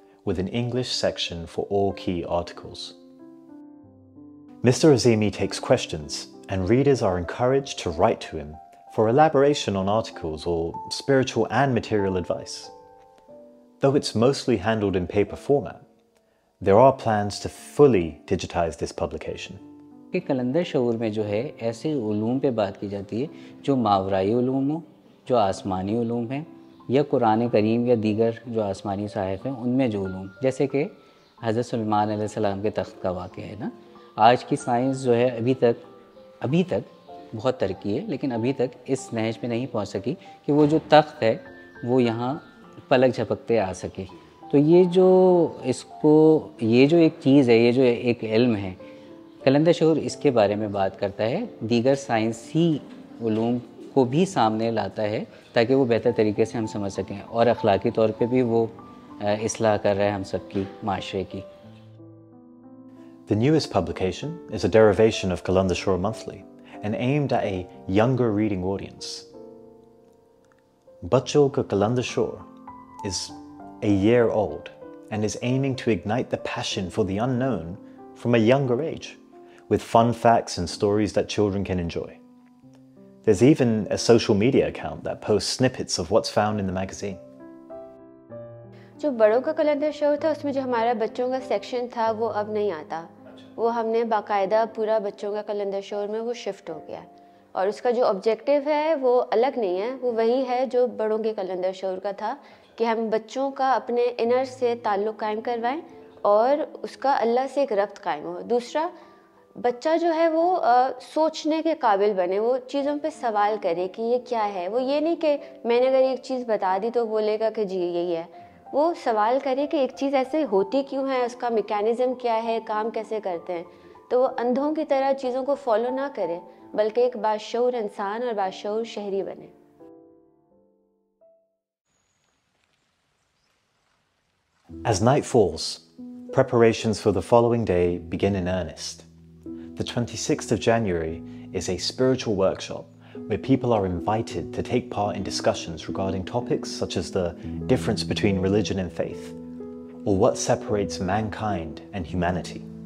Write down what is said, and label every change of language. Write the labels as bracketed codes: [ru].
[en] with an English section for all key articles. Mr. Azeemi takes questions, and readers are encouraged to write to him for elaboration on articles or spiritual and material advice. Though it's mostly handled in paper format, there are plans to fully digitize this publication. [hi] कि कलंदर शऊर में जो है ऐसे उलूम पे बात की जाती है जो मावराई उलूम हो जो आसमानी उलूम हैं या कुरान करीम या दीगर जो आसमानी साहिब हैं उनमें जो उलूम जैसे कि हज़रत सुलेमान अलैहिस्सलाम के तख्त का वाक़ है ना आज की साइंस जो है अभी तक बहुत तरक्की है लेकिन अभी तक इस नहज पे नहीं पहुँच सकी कि वो जो तख्त है वो यहाँ पलक झपकते आ सके तो ये जो एक चीज़ है ये जो एक इल्म है कलंदर शऊर इसके बारे में बात करता है दीगर साइंसी उलूम को भी सामने लाता है ताकि वो बेहतर तरीके से हम समझ सकें और अखलाकी तौर पे भी वो इस्लाह कर रहा है हम सबकी माशरे की [en] The newest publication is a derivation of Qalandar Shoor Monthly and aimed at a younger reading audience. Bachcho ka Qalandar Shoor is a year old and is aiming to ignite the passion for the unknown from a younger age. With fun facts and stories that children can enjoy. There's even a social media account that posts snippets of what's found in the magazine. [hi] जो बड़ों का कलंदर शोर था उसमें जो हमारा बच्चों का सेक्शन था वो अब नहीं आता वो हमने बाकायदा पूरा बच्चों का कलंदर शोर में वो शिफ्ट हो गया और उसका जो ऑब्जेक्टिव है वो अलग नहीं है वो वही है जो बड़ों के कलंदर शोर का था कि हम बच्चों का अपने इनर से ताल्लुक कायम करवाएं और उसका अल्लाह से एक रब्त कायम हो दूसरा बच्चा जो है वो सोचने के काबिल बने वो चीज़ों पे सवाल करे कि ये क्या है वो ये नहीं कि मैंने अगर एक चीज़ बता दी तो बोलेगा कि जी यही है वो सवाल करे कि एक चीज़ ऐसे होती क्यों है उसका मैकेनिज्म क्या है काम कैसे करते हैं तो वो अंधों की तरह चीज़ों को फॉलो ना करे बल्कि एक बाशऊर इंसान और बाशऊर शहरी बने [en] As night falls, preparations for the following day begin in earnest. The 26th of January is a spiritual workshop where people are invited to take part in discussions regarding topics such as the difference between religion and faith, or what separates mankind and humanity.